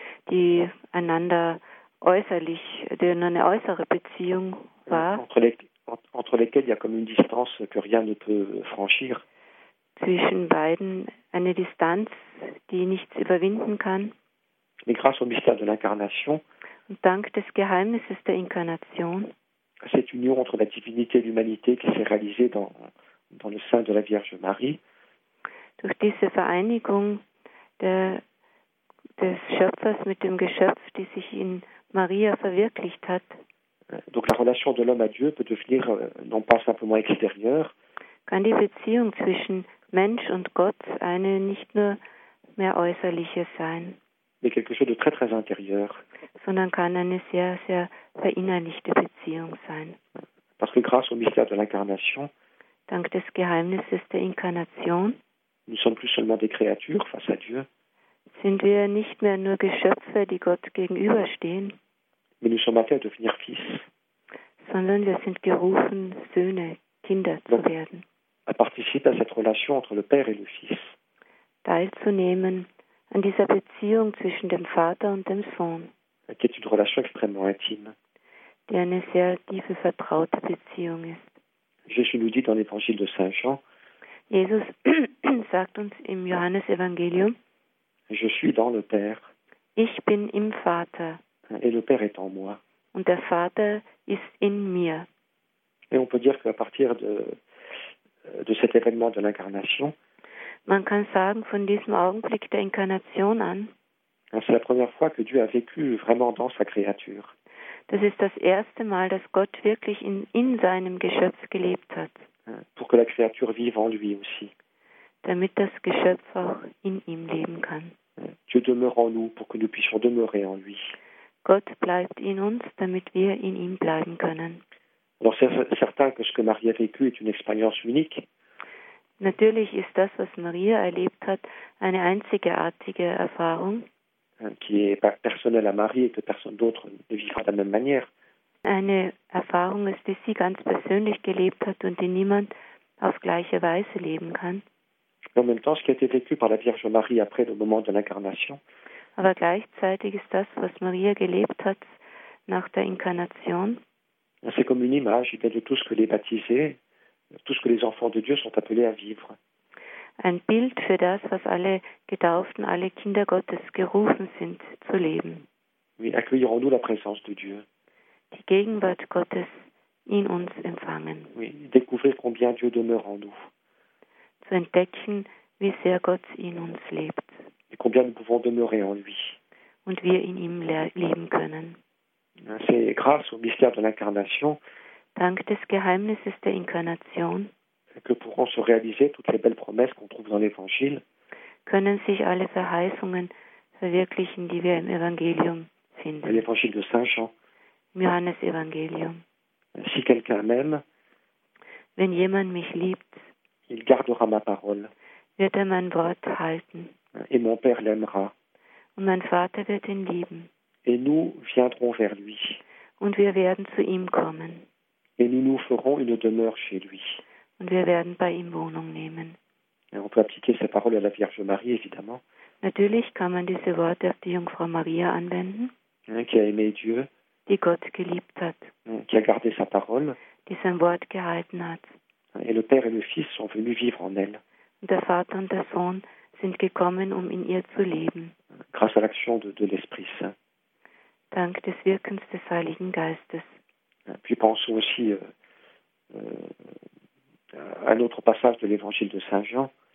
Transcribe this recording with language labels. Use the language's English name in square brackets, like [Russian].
[German] die einander äußerlich, die eine äußere Beziehung war, [French] entre lesquelles il y a comme une distance que rien ne peut franchir, [German] zwischen beiden eine Distanz, die nichts überwinden kann. [French] Mais grâce au mystère de l'incarnation, [German] und dank des Geheimnisses der Inkarnation, [French] cette union entre la divinité et l'humanité qui s'est réalisée dans le sein de la Vierge Marie, [German] durch diese Vereinigung des Schöpfers mit dem Geschöpf, die sich in Maria verwirklicht hat, [French] donc la relation de l'homme à Dieu peut devenir non pas simplement extérieure, [German] kann die Beziehung zwischen Mensch und Gott eine nicht nur mehr äußerliche sein, [French] mais quelque chose de très très intérieur, [German] sondern kann eine sehr sehr verinnerlichte Beziehung sein. [French] Parce que grâce au mystère de l'incarnation, [German] dank des Geheimnisses der Inkarnation, [French] nous sommes plus seulement des créatures face à Dieu, [German] sind wir nicht mehr nur Geschöpfe, die Gott gegenüberstehen, [French] mais nous sommes appelés à devenir fils, [German] sondern wir sind gerufen, Söhne, Kinder zu werden, [French] à participer à cette relation entre le Père et le Fils, [German] teilzunehmen an dieser Beziehung zwischen dem Vater und dem Sohn, [French] qui est une relation extrêmement intime, [German] die eine sehr tiefe, vertraute Beziehung ist. [French] Jésus nous dit dans l'évangile de Saint Jean, [German] Jesus sagt uns im Johannesevangelium, [French] je suis dans le Père, [German] ich bin im Vater, [French] et le Père est en moi, [German] und der Vater ist in mir. [French] Et on peut dire qu'à partir de cet événement de l'incarnation, [German] man kann sagen, von diesem Augenblick der Inkarnation an, [French] c'est la première fois que Dieu a vécu vraiment dans sa créature. [German] Das ist das erste Mal, dass Gott wirklich in seinem Geschöpf gelebt hat. [French] Pour que la créature vive en lui aussi. [German] Damit das Geschöpf auch in ihm leben kann. [French] Dieu demeure en nous pour que nous puissions demeurer en lui. [German] Gott bleibt in uns, damit wir in ihm bleiben können. [French] Alors c'est certain que ce que Marie a vécu est une expérience unique. [German] Natürlich ist das, was Maria erlebt hat, eine einzigartige Erfahrung. [French] Qui est personnelle à Marie et que personne d'autre ne vivra de la même manière. [German] Eine Erfahrung ist, die sie ganz persönlich gelebt hat und die niemand auf gleiche Weise leben kann. [French] En même temps, ce qui a été vécu par la Vierge Marie après le moment de l'incarnation, [German] aber gleichzeitig ist das, was Maria gelebt hat nach der Inkarnation, [French] c'est comme une image de tout ce que les baptisés, tout ce que les enfants de Dieu sont appelés à vivre. [German] Ein Bild für das, was alle Getauften, alle Kinder Gottes gerufen sind zu leben. [French] Wie accueillerons-nous la présence de Dieu? [German] Die Gegenwart Gottes in uns empfangen. [French] Oui, découvrir combien Dieu demeure en nous. [German] Zu entdecken, wie sehr Gott in uns lebt. [French] Et combien nous pouvons demeurer en lui. [German] Und wir in ihm leben können. [French] C'est grâce au mystère de l'incarnation, [German] dank des Geheimnisses der Inkarnation, [French] que pourront se réaliser toutes les belles promesses qu'on trouve dans l'Évangile, [German] können sich alle Verheißungen verwirklichen, die wir im Evangelium finden. [French] L'Évangile de Saint Jean. [German] Johannes Evangelium. [French] Si quelqu'un m'aime, [German] wenn jemand mich liebt, [French] il gardera ma parole, [German] wird er mein Wort halten, [French] et mon Père l'aimera, [German] und mein Vater wird ihn lieben, [French] et nous viendrons vers lui, [German] und wir werden zu ihm kommen, [French] et nous nous ferons une demeure chez lui, [German] und wir werden bei ihm Wohnung nehmen. [French] Et on peut appliquer ces paroles à la Vierge Marie, évidemment. [German] Natürlich kann man diese Worte auf die Jungfrau Maria anwenden, [French] qui a aimé Dieu, [German] die Gott geliebt hat, [French] qui a gardé sa parole, [German] die sein Wort gehalten hat. [French] Et le Père et le Fils sont venus vivre en elle. [German] Und der Vater und der Sohn sind gekommen, um in ihr zu leben. [French] Grâce à l'action de l'Esprit Saint. [German] Dank des Wirkens des Heiligen Geistes. [French] Puis pensons aussi à un autre passage de l'Évangile de Saint Jean.